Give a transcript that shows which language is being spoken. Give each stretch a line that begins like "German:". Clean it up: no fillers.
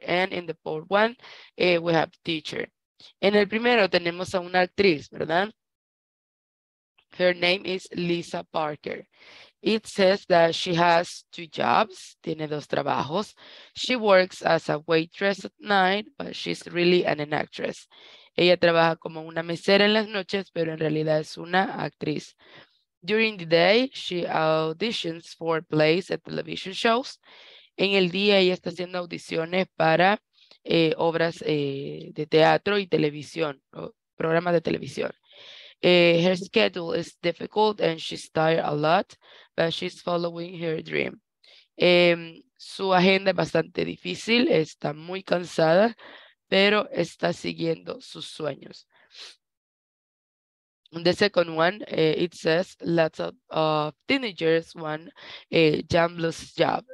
English: And in the fourth one, we have teacher.
Spanish: En el primero tenemos a una actriz, ¿verdad?
English: Her name is Lisa Parker. It says that she has two jobs,
Spanish: tiene dos trabajos.
English: She works as a waitress at night, but she's really an actress.
Spanish: Ella trabaja como una mesera en las noches, pero en realidad es una actriz.
English: During the day, she auditions for plays at television shows.
Spanish: En el día, ella está haciendo audiciones para obras de teatro y televisión, programas de televisión.
English: Her schedule is difficult and she's tired a lot, but she's following her dream.
Spanish: Su agenda es bastante difícil, está muy cansada, pero está siguiendo sus sueños.
English: The second one, it says lots of teenagers want a jam blues job.